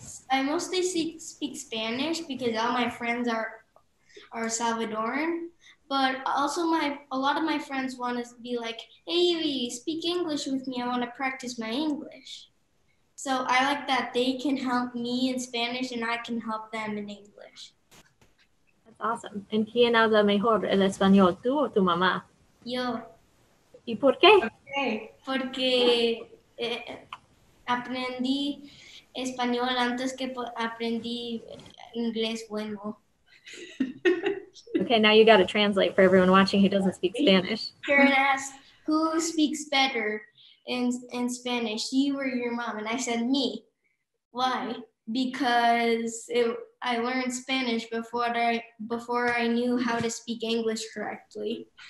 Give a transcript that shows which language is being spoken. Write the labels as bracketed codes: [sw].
[en] I mostly speak Spanish because all my friends are Salvadoran. But also a lot of my friends want to be like, hey, Evey, speak English with me. I want to practice my English. So I like that they can help me in Spanish and I can help them in English. That's awesome. [es] ¿En quién habla mejor el español, tú o tu mamá? Yo. ¿Y por qué? [en] Okay. [es] Porque aprendí español antes que aprendí inglés bueno. [en] Okay, now you got to translate for everyone watching who doesn't speak Spanish. Karen asked, who speaks better in Spanish, you or your mom? And I said, me. Why? Because I learned Spanish before I knew how to speak English correctly.